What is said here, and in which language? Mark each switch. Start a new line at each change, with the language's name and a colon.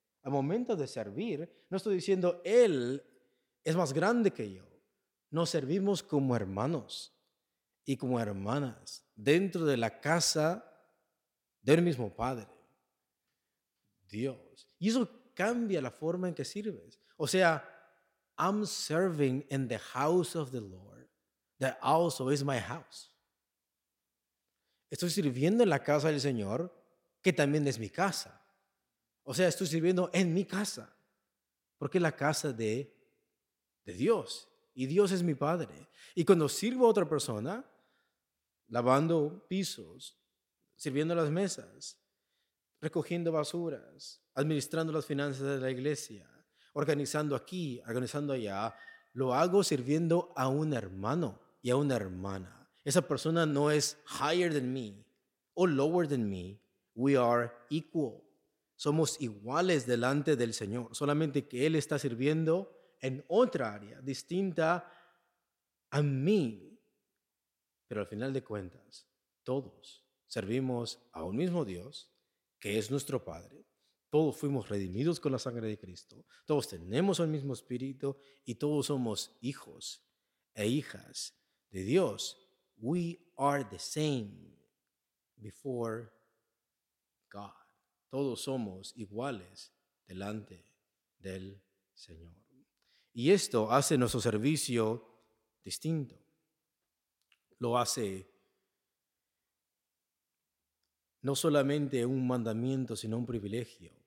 Spanish: Al momento de servir, no estoy diciendo él es más grande que yo. Nos servimos como hermanos y como hermanas dentro de la casa del mismo Padre, Dios. Y eso cambia la forma en que sirves. O sea,
English: I'm serving in the house of the Lord that also is my house.
Spanish: Estoy sirviendo en la casa del Señor que también es mi casa. O sea, estoy sirviendo en mi casa porque es la casa de Dios. Y Dios es mi Padre. Y cuando sirvo a otra persona, lavando pisos, sirviendo las mesas, recogiendo basuras, administrando las finanzas de la iglesia, organizando aquí, organizando allá, lo hago sirviendo a un hermano y a una hermana. Esa persona no es
English: higher than me o lower than me. We are equal.
Spanish: Somos iguales delante del Señor. Solamente que Él está sirviendo en otra área distinta a mí. Pero al final de cuentas, todos servimos a un mismo Dios, que es nuestro Padre. Todos fuimos redimidos con la sangre de Cristo. Todos tenemos el mismo Espíritu y todos somos hijos e hijas de Dios.
English: We are the same before God.
Spanish: Todos somos iguales delante del Señor. Y esto hace nuestro servicio distinto. Lo hace no solamente un mandamiento, sino un privilegio.